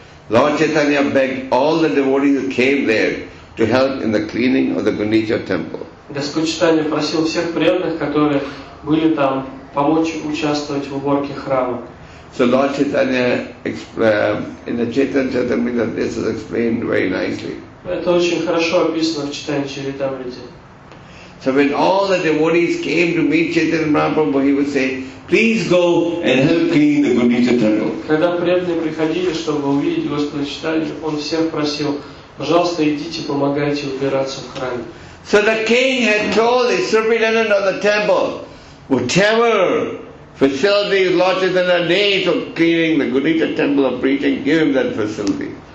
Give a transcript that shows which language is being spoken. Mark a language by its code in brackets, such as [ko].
[en] Lord Chaitanya begged all the devotees who came there to help in the cleaning of the Gundicha temple. [ru] Господь Читания просил всех преданных, которые были там, помочь участвовать в уборке храма. [en] So Lord Chaitanya in the Chaitanya Charitamrita this is explained very nicely. [ru] Это очень хорошо описано в Читании Чаритамрите. [en] So when all the devotees came to meet Chaitanya Mahaprabhu, he would say, please go and help clean the Gundicha temple. [ru] Когда преданные приходили, чтобы увидеть Господа Читания, он всех просил, пожалуйста, идите, помогайте убираться в храме. [en] So the king had told the superintendent of the temple, whatever facilities Lord Chaitanya needs for cleaning the Gundicha temple of preaching, give him that facility.